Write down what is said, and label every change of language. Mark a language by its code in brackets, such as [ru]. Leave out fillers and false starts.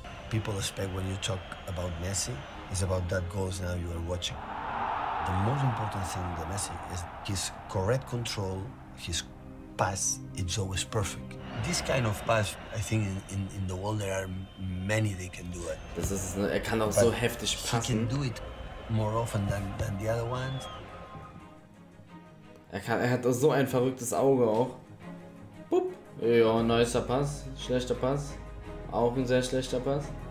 [en] People expect when you talk about Messi, it's about that goals now you are watching. The most important thing in the Messi is his correct control, his pass, it's always perfect. This kind of pass, I think in the world there are many they can do it. [de] Das ist, er kann auch so heftig passen. [en] He can do it more often than the other ones. [de] Er hat auch so ein verrücktes Auge auch. Boop. Ja, neuer Pass, schlechter Pass. Auch ein sehr schlechter Pass.